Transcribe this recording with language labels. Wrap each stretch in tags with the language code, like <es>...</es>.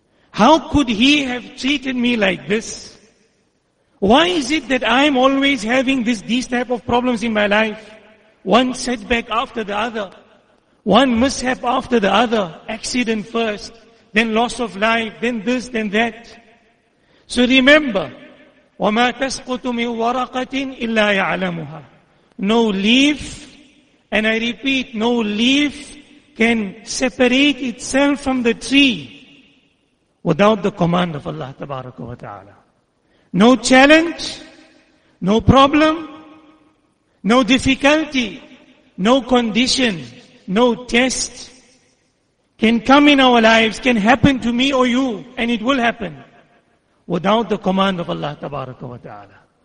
<en>How could he have treated me like this? Why is it that I'm always having these type of problems in my life? One setback after the other. One mishap after the other. Accident first, then loss of life, then this, then that. So remember,</en> <ar>وَمَا تَسْقُطُ مِنْ وَرَقَةٍ إِلَّا يَعْلَمُهَا.</ar> <en>No leaf, and I repeat, no leaf can separate itself from the tree without the command of Allah tabaraka wa ta'ala. No challenge, no problem, no difficulty, no condition, no test can come in our lives, can happen to me or you, and it will happen, without the command of Allah tabaraka wa ta'ala.</en>